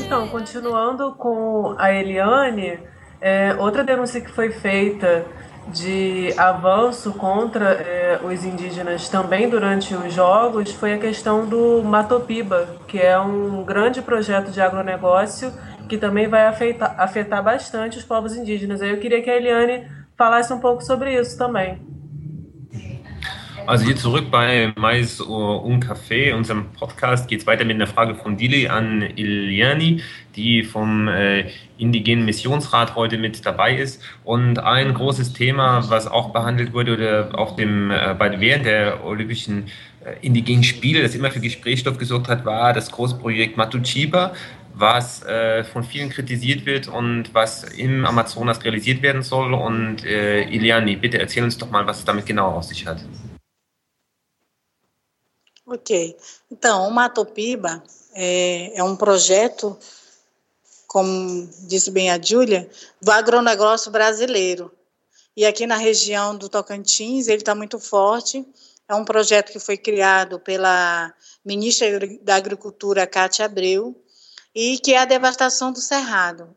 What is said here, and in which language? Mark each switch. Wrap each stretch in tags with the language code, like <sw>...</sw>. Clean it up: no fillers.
<pt>Continuando com a Eliane, outra denúncia que foi feita de avanço contra os indígenas também durante os jogos foi a questão do Matopiba, que é um grande projeto de agronegócio que também vai afetar bastante os povos indígenas. Aí eu queria que a Eliane falasse um pouco sobre isso também.</pt> <de>Also hier zurück bei Mais und Café, unserem Podcast, geht es weiter mit einer Frage von Dili an Eliani, die vom Indigenen Missionsrat heute mit dabei ist. Und ein großes Thema, was auch behandelt wurde oder auch während der Olympischen Indigenen Spiele, das immer für Gesprächsstoff gesorgt hat, war das Großprojekt Matuchiba, was von vielen kritisiert wird und was im Amazonas realisiert werden soll. Und Eliani, bitte erzähl uns doch mal, was es damit genau auf sich hat. Ok.</de> <pt>Então, o Matopiba é um projeto, como disse bem a Júlia, do agronegócio brasileiro. E aqui na região do Tocantins, ele está muito forte. É um projeto que foi criado pela ministra da Agricultura, Cátia Abreu, e que é a devastação do Cerrado.</pt>